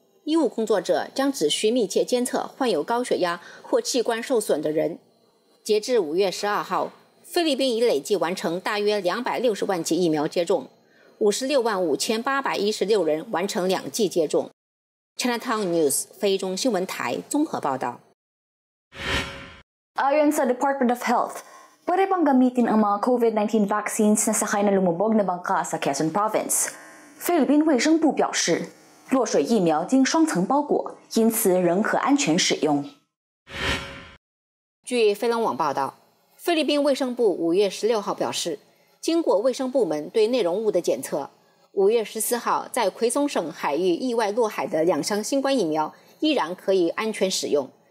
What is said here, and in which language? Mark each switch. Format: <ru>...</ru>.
<zh>医务工作者将只需密切监测患有高血压或器官受损的人。截至5月12号，菲律宾已累计完成大约260万剂疫苗接种，565816人完成两剂接种。 Chinatown News 非中新闻台综合报道。</zh> <tl>Ayon sa Department of Health, pwede pang gamitin ang mga COVID-19 vaccines na sakay na lumubog na bangka sa Quezon Province.</tl> <zh>菲律宾卫生部表示，落水疫苗经双层包裹，因此仍可安全使用。据飞龙网报道，菲律宾卫生部5月16号表示，经过卫生部门对内容物的检测，5月14号在奎松省海域意外落海的两箱新冠疫苗依然可以安全使用。</zh>